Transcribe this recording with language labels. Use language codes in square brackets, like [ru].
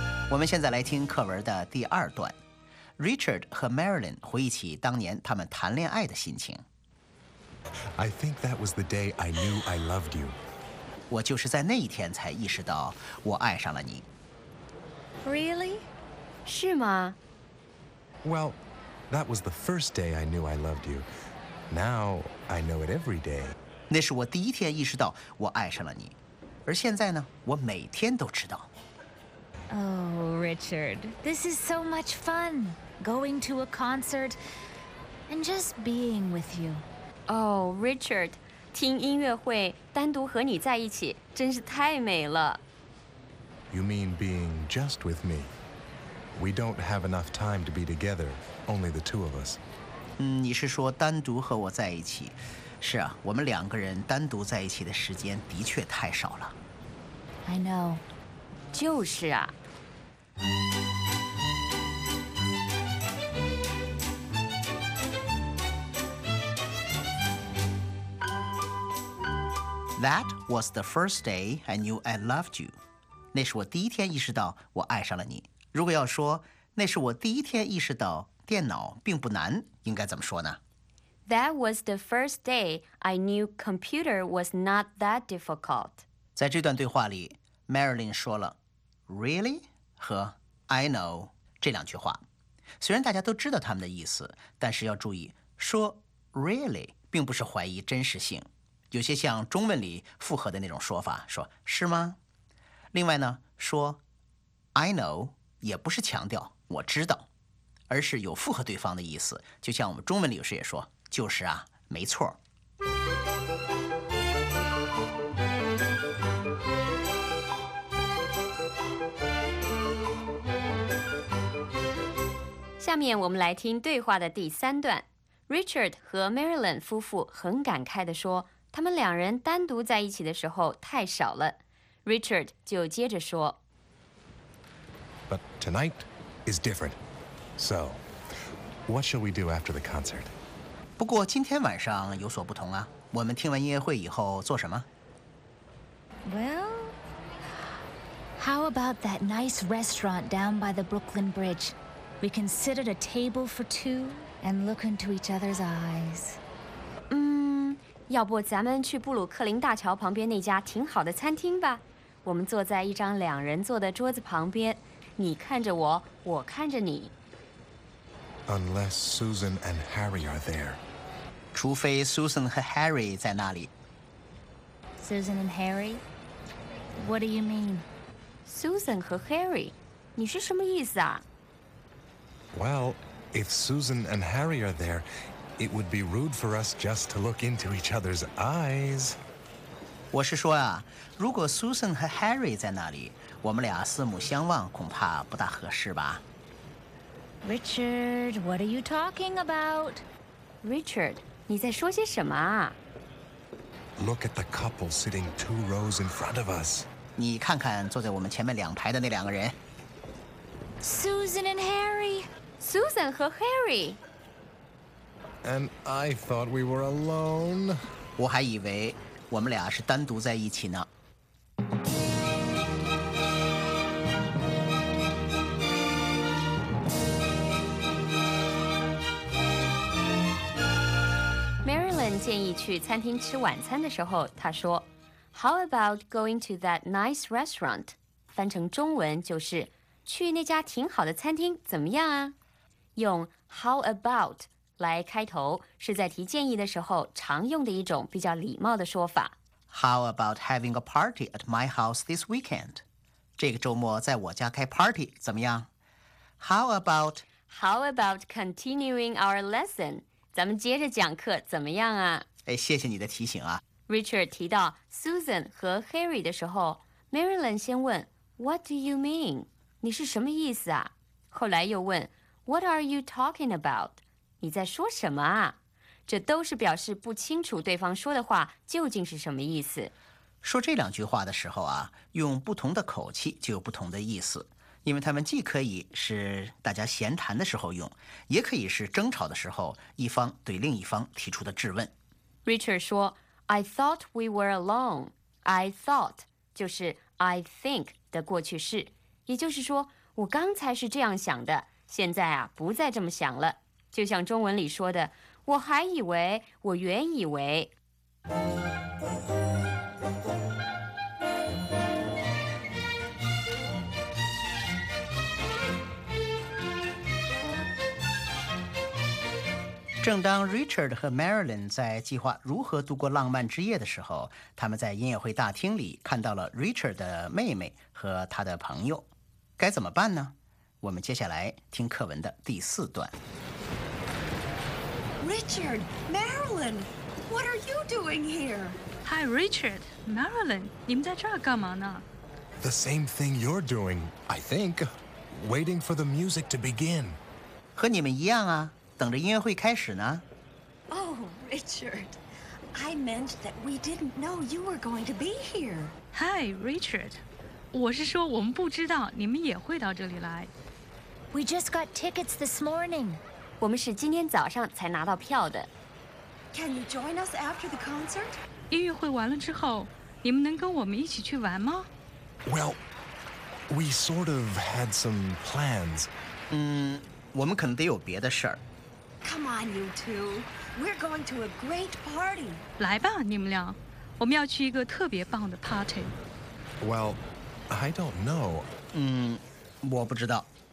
[zh] 我们现在来听课文的第二段 ，Richard 和 Marilyn 回忆起当年他们谈恋爱的心情。 [en] I think that was the day I knew I loved you。 [zh] 我就是在那一天才意识到我爱上了你。 [en] Really？ [zh] 是吗？ [en] Well, that was the first day I knew I loved you. Now I know it every day. [zh] 那是我第一天意识到我爱上了你，而现在呢，我每天都知道。 [en] Oh, Richard, this is so much fun. Going to a concert and just being with you. [zh] Oh, Richard, 听音乐会，单独和你在一起，真是太美了。 [en] You mean being just with me? We don't have enough time to be together, only the two of us. [zh] 嗯，你是说单独和我在一起？是啊，我们两个人单独在一起的时间的确太少了。 [en] I know. [zh] 就是啊。 [en] That was the first day I knew I loved you. [zh] 那是我第一天意识到我爱上了你。如果要说那是我第一天意识到电脑并不难，应该怎么说呢 [en] ？That was the first day I knew computer was not that difficult. [zh] 在这段对话里 ，Marilyn 说了 "really" 和 "I know" 这两句话。虽然大家都知道他们的意思，但是要注意说 "really" 并不是怀疑真实性，有些像中文里附和的那种说法，说是吗？另外呢，说 "I know"。也不是强调我知道，而是有附和对方的意思，就像我们中文里有时也说，就是啊，没错。下面我们来听对话的第三段。Richard 和 Marilyn 夫妇很感慨地说，他们两人单独在一起的时候太少了。 Richard 就接着说 [en] ：“But tonight is different. So, what shall we do after the concert? [zh] 不过今天晚上有所不同啊。我们听完音乐会以后做什么 [en] ？Well, how about that nice restaurant down by the Brooklyn Bridge? We can sit at a table for two.” And look into each other's eyes. [zh] 要不咱们去布鲁克林大桥旁边那家挺好的餐厅吧？我们坐在一张两人坐的桌子旁边，你看着我，我看着你。 [en] Unless Susan and Harry are there. [zh] 除非 Susan 和 Harry 在那里。 [en] Susan and Harry? What do you mean? [zh] Susan 和 Harry? 你是什么意思啊？ [en] Well... If Susan and Harry are there, it would be rude for us just to look into each other's eyes. [zh] 我是说啊，如果 Susan 和 Harry 在那里，我们俩四目相望恐怕不大合适吧。 [en] Richard, what are you talking about? [zh] Richard, 你在说些什么啊？ [en] Look at the couple sitting two rows in front of us. [zh] 你看看坐在我们前面两排的那两个人。 [en] Susan and Harry. [zh] Susan 和 Harry. [en] And I thought we were alone. [zh] 我还以为我们俩是单独在一起呢。 Marilyn 建议去餐厅吃晚餐的时候，她说 ： [en] “How about going to that nice restaurant？” [zh] 翻成中文就是“去那家挺好的餐厅，怎么样啊？” 用 how about 来开头，是在提建议的时候常用的一种比较礼貌的说法。 [en] How about having a party at my house this weekend? [zh] 这个周末在我家开 party 怎么样？ [en] How about continuing our lesson? [zh] 咱们接着讲课怎么样啊？哎，谢谢你的提醒啊。 Richard 提到 Susan 和 Harry 的时候， Marilyn 先问 [en] What do you mean? [zh] 你是什么意思啊？后来又问 [en] What are you talking about? [zh] 你在说什么啊？这都是表示不清楚对方说的话究竟是什么意思。说这两句话的时候啊，用不同的口气就有不同的意思，因为他们既可以是大家闲谈的时候用，也可以是争吵的时候一方对另一方提出的质问。 [en] Richard 说 I thought we were alone. [zh] I thought 就是 I think 的过去式，也就是说我刚才是这样想的，现在啊，不再这么想了。就像中文里说的，我还以为，我原以为。正当 Richard 和 Marilyn 在计划如何度过浪漫之夜的时候，他们在音乐会大厅里看到了 Richard 的妹妹和他的朋友，该怎么办呢？我们接下来听课文的第四段。 [en] Richard, Marilyn, what are you doing here? [zh] Hi, Richard, Marilyn, 你们在这儿干嘛呢？ [en] The same thing you're doing, I think. Waiting for the music to begin. [zh] 和你们一样啊，等着音乐会开始呢。 [en] Oh, Richard, I meant that we didn't know you were going to be here. [zh] Hi, Richard, 我是说我们不知道你们也会到这里来。 [en] We just got tickets this morning. [zh] 我们是今天早上才拿到票的。 [en] Can you join us after the concert? [zh] 音乐会完了之后，你们能跟我们一起去玩吗？ [en] Well, we sort of had some plans. [zh] 我们可能得有别的事儿。 [en] Come on, you two. We're going to a great party. [zh] 来吧，你们俩，我们要去一个特别棒的 party. [en] Well, I don't know. [zh] 我不知道。